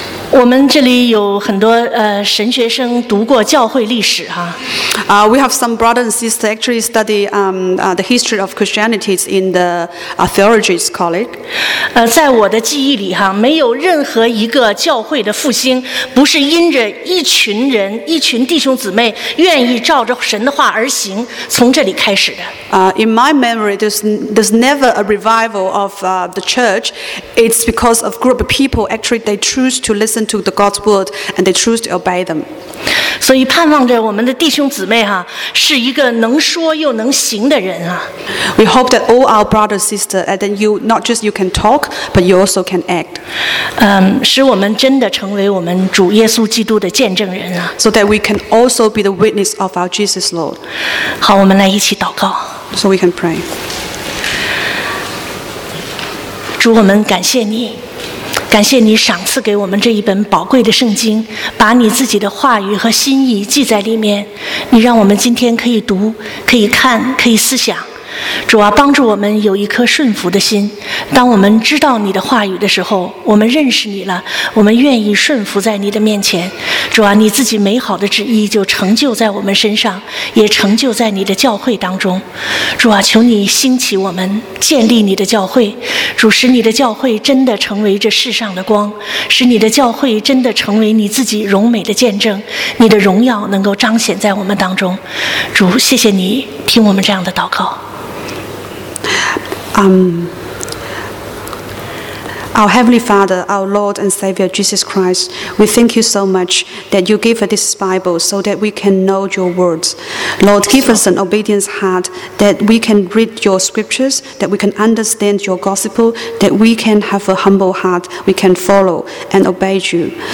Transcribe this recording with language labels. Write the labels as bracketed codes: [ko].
[zh] 我们这里有很多神学生读过教会历史哈。 [en] We have some brothers and sisters actually study the history of Christianity in the theology college. [zh] 在我的记忆里哈，没有任何一个教会的复兴不是因着一群人、一群弟兄姊妹愿意照着神的话而行，从这里开始的。 [en] In my memory, there's never a revival of the church. It's because of group of people actually they choose to listen. listen to the God's word and they choose to obey them. [zh] 所以盼望着我们的弟兄姊妹哈，是一个能说又能行的人啊。 [en] We hope that all our brothers, sisters, and then you not just you can talk, but you also can act. [zh] 使我们真的成为我们主耶稣基督的见证人啊。 [en] So that we can also be the witness of our Jesus Lord. [zh] 好，我们来一起祷告。 [en] So we can pray. [zh] 主，我们感谢你，感谢你赏赐给我们这一本宝贵的圣经，把你自己的话语和心意记在里面。你让我们今天可以读，可以看，可以思想。主啊，帮助我们有一颗顺服的心。当我们知道你的话语的时候，我们认识你了，我们愿意顺服在你的面前。主啊，你自己美好的旨意就成就在我们身上，也成就在你的教会当中。主啊，求你兴起我们，建立你的教会。主，使你的教会真的成为这世上的光，使你的教会真的成为你自己荣美的见证，你的荣耀能够彰显在我们当中。主，谢谢你听我们这样的祷告。 [en] Our Heavenly Father, our Lord and Savior Jesus Christ, we thank you so much that you gave us this Bible so that we can know your words. Lord, give us an obedient heart that we can read your scriptures, that we can understand your gospel, that we can have a humble heart, we can follow and obey you.